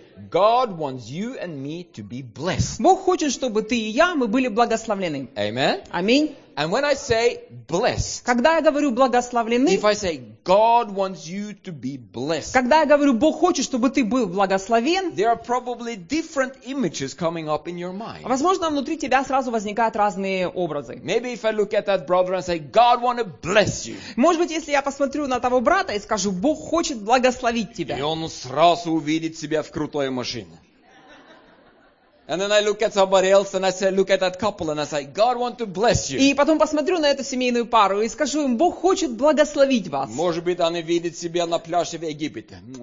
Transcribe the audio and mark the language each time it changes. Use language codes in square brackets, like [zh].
[en] God wants you and me to be blessed. [ru] Бог хочет, чтобы ты и я мы были благословлены. [en] Amen. [ru] Аминь. [en] And when I say blessed. [ru] Когда я говорю благословлены. [en] If I say God wants you to be blessed. [ru] Когда я говорю Бог хочет, чтобы ты был благословен. [en] There are probably different images coming up in your mind. [ru] Возможно, внутри тебя сразу возникают разные образы. [en] Maybe if I look at that brother and say God wants to bless you. [ru] Может быть, если я посмотрю на того брата и скажу Бог хочет благословить тебя. И он сразу увидит себя в крутой машине. [en] And then I look at somebody else and I say, look at that couple and I say, God wants to bless you. [ru] И потом посмотрю на эту семейную пару и скажу им, Бог хочет благословить вас. Может быть, они видят себя на пляже в Египте.